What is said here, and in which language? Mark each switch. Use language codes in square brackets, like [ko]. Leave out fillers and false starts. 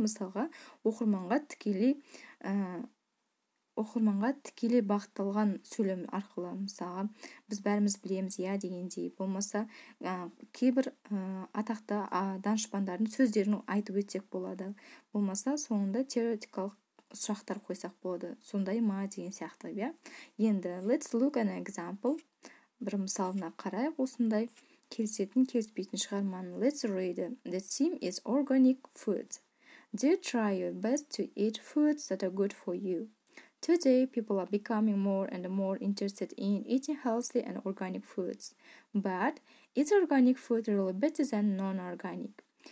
[kk] Мысалға, оқырманға тікелей бағытталған сөйлем арқылы, мысалға, біз бәріміз білеміз я дегендей, болмаса кейбір атақты данышпандардың сөздерін айтып өтсек болады. Болмаса соңында теоретикалық сұрақтар қойсақ болады. Сондай ма деген сияқты, иә? [en] Енді let's look an example. [kk] Бір мысалына қарайық, осындай келісетін келіспейтін шығарманы. [en] Let's read. The theme is organic food. Do you try your best to eat foods that are good for you? Today, people are becoming more and more interested in eating healthy and organic foods. But is organic food really better than non-organic?